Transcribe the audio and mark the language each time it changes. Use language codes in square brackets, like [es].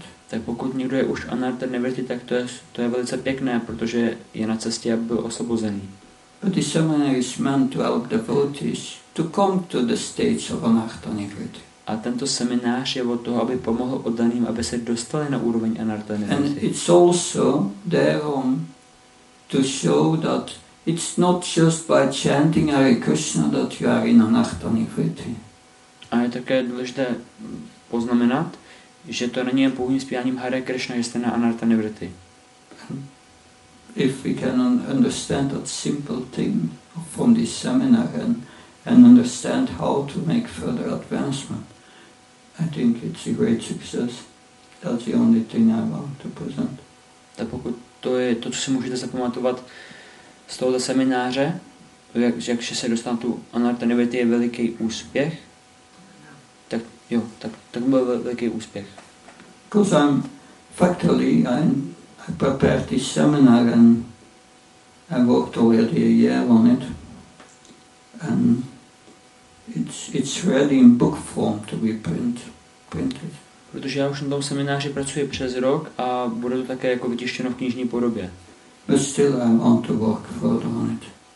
[cs] Tak pokud někdo je už anartha nivritti, tak to je velice pěkné, protože je na cestě a byl osvobozený. [en] But the seminary is meant to help devotees to come to the stage of anartha nivritti. [cs] A tento seminář je od toho, aby pomohl oddaným, aby se dostali na úroveň anartha nivritti. [en] And it's also there to show that it's not just by chanting Hare Krishna that you are in anartha nivritti. [cs] A je také důležité poznamenat, že to není jen pouhým zpíváním Hare Krishna, že jste na anartha nivritti. [en] if we can understand that simple thing from this seminar and understand how to make further advancement, I think it's a great success. That's the only thing I want to present. [cs] Tak pokud to je to, co si můžete zapamatovat z tohoto semináře, jakže se dostanou tu anartanivity, je veliký úspěch. Tak jo, tak byl veliký úspěch. [en] Because I'm factually, I prepared this seminar and I worked already a year on it. And it's ready in book form to be printed. [cs] Protože já už na tom semináři pracuji přes rok a bude to také jako vytištěno v knižní podobě. [en] But still I want to work further on it.